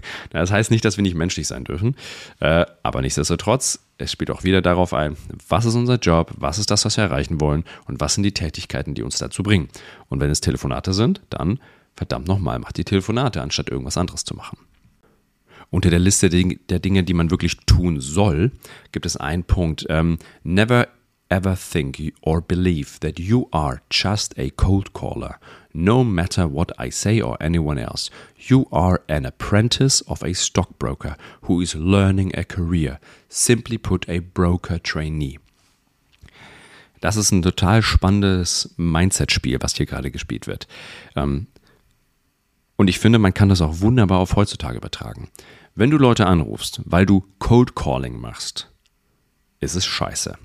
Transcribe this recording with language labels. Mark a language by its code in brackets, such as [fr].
[de] Das heißt nicht, dass wir nicht menschlich sein dürfen. Aber nichtsdestotrotz, es spielt auch wieder darauf ein, was ist unser Job, was ist das, was wir erreichen wollen und was sind die Tätigkeiten, die uns dazu bringen. Und wenn es Telefonate sind, dann verdammt nochmal, mach die Telefonate, anstatt irgendwas anderes zu machen. Unter der Liste der Dinge, die man wirklich tun soll, gibt es einen Punkt. [en] Never ever think or believe that you are just a cold caller. No matter what I say or anyone else, you are an apprentice of a stockbroker who is learning a career. Simply put, a broker trainee. [de] Das ist ein total spannendes Mindset-Spiel, was hier gerade gespielt wird. Und ich finde, man kann das auch wunderbar auf heutzutage übertragen. Wenn du Leute anrufst, weil du Cold Calling machst, ist es scheiße.